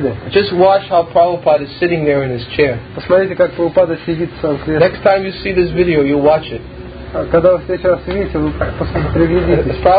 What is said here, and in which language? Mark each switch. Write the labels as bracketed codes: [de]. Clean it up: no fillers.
[en] Just watch how Prabhupada is sitting there in his chair. [ru] Посмотрите, как Прабхупада сидит в своем кресле. [en] Next time you see this video, you watch it. [ru] Когда вы в следующий раз увидите, вы приведитесь.